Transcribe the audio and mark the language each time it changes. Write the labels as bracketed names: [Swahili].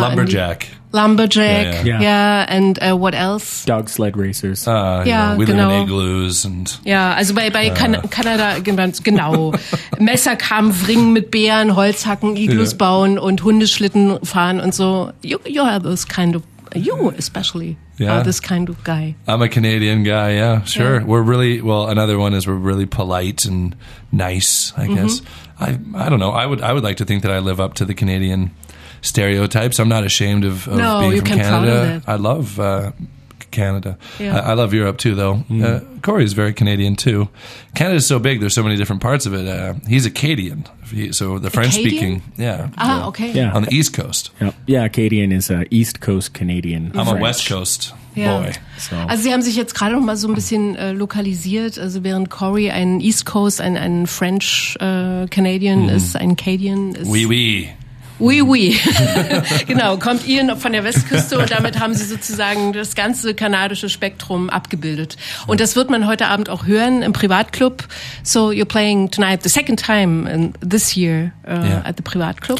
[English] Lumberjack. Lumberjack, and what else? Dog sled racers. Live in igloos and... [German] Ja, also bei Kanada, genau. Messerkampf, Ringen mit Bären, Holzhacken, Igloos bauen und Hundeschlitten fahren und so. [English] You are those kind of, you especially, are this kind of guy. I'm a Canadian guy, yeah, sure. Yeah. We're really, well, another one is we're really polite and nice, I guess. I don't know. I would like to think that I live up to the Canadian stereotypes. I'm not ashamed of no, being you from can Canada. Follow that. I love Canada. Yeah. I love Europe too, though. Mm. Corey is very Canadian too. Canada is so big. There's so many different parts of it. He's Acadian, so the French speaking. Yeah. Okay. Yeah. On the East Coast. Yeah. Acadian is a East Coast Canadian. I'm a West Coast. Ja. Boy, so. [German] Also sie haben sich jetzt gerade noch mal so ein bisschen lokalisiert, also während Corey ein East Coast, ein French Canadian ist, ein Cadian ist. [French] Oui. [German] Genau, kommt Ian von der Westküste und damit haben sie sozusagen das ganze kanadische Spektrum abgebildet. Und das wird man heute Abend auch hören im Privatclub. [English] So you're playing tonight the second time in this year at the Privatclub.